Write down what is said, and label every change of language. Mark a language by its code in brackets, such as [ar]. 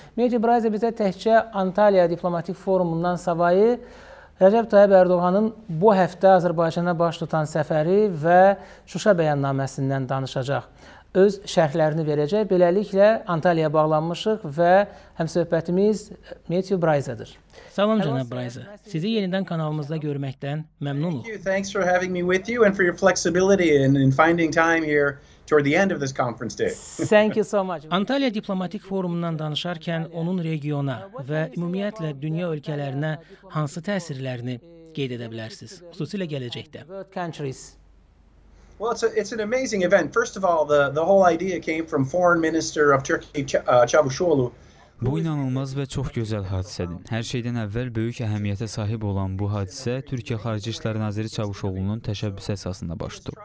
[az] Matthew Braza bizə təkcə Antalya diplomatik forumundan savayı Rəcəb Tayyip Erdoğan'ın bu həftə Azərbaycana baş tutan səfəri və Şuşa bəyannaməsindən danışacaq. Öz şərhlərini verəcək. Beləliklə, Antalya'ya bağlanmışıq və həmsöhbətimiz Matthew Braza'dır. Salam, cənab Braza. Sizi yenidən kanalımızda görməkdən məmnunuq. [en] Thanks for having me with you and for your flexibility in finding time here toward the end of this conference day. Thank you so much. [az] Antalya diplomatik forumundan danışarkən onun regiona və ümumiyyətlə dünya ölkələrinə hansı təsirlərini qeyd edə bilərsiniz, xüsusilə gələcəkdə? [en] Well, it's an amazing event. First of all, the whole idea came from Foreign Minister of Turkey Çavuşoğlu. [az] Bu inanılmaz və çox gözəl hadisədir. Hər şeydən əvvəl böyük əhəmiyyətə sahib olan bu hadisə Türkiyə Xarici İşlər Naziri Çavuşoğlu'nun təşəbbüsü əsasında başladı.